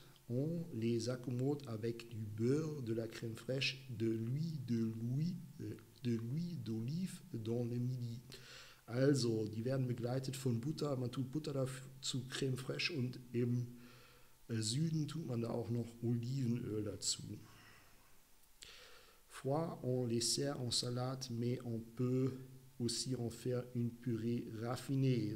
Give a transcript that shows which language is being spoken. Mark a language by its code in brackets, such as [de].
[fr] On les accommode avec du beurre, de la crème fraîche, de l'huile d'olive dans le midi. [de] Also, die werden begleitet von Butter. Man tut Butter dazu, Crème fraîche und im Süden tut man da auch noch Olivenöl dazu. [fr] Froid, on les sert en salade, mais on peut aussi en faire une purée raffinée.